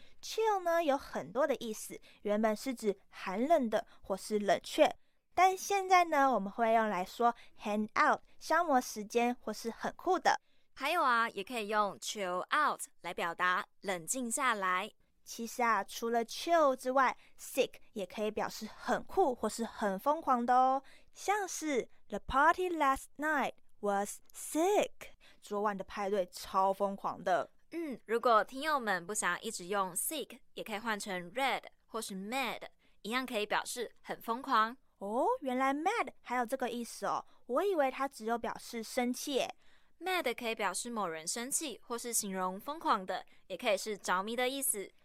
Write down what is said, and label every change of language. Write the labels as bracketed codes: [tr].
[zh] Chill 呢有很多的意思，原本是指寒冷的或是冷却，但现在呢我们会用来说 hang out 消磨时间或是很酷的。还有啊，也可以用 chill out 来表达冷静下来。其实啊，除了 chill 之外， sick 也可以表示很酷或是很疯狂的哦。像是 [en] the party last night was sick， [zh] 昨晚的派对超疯狂的。如果听友们不想一直用 sick， 也可以换成 red 或是 mad， 一样可以表示很疯狂哦。原来 mad 还有这个意思哦，我以为它只有表示生气耶。 mad 可以表示某人生气，或是形容疯狂的，也可以是着迷的意思。